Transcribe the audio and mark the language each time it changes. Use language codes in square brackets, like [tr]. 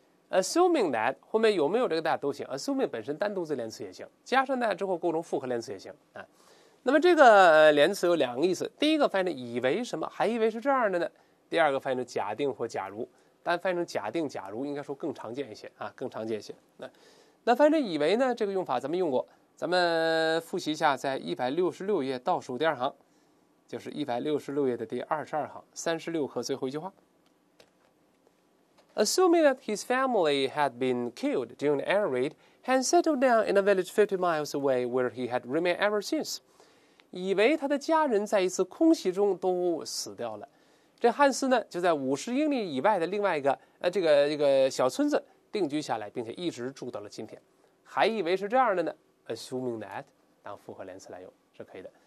[zh] Assuming that 后面有没有这个 that 都行， assuming 本身单独字连词也行，加上 that 之后构成复合连词也行、啊、那么这个连词有两个意思，第一个翻译成以为什么，还以为是这样的呢，第二个翻译成假定或假如，但翻译成假定假如应该说更常见一些、啊、更常见一些、啊、那翻译成以为呢，这个用法咱们用过，咱们复习一下，在166页倒数第二行，就是166页的第22行，36课最后一句话。 [en] Assuming that his family had been killed during the air raid, had settled down in a village 50 miles away where he had remained ever since. [zh] 以为他的家人在一次空袭中都死掉了。这汉斯呢，就在50英里以外的另外一个、这个小村子定居下来，并且一直住到了今天。还以为是这样的呢， assuming that 当复合连词来用是可以的。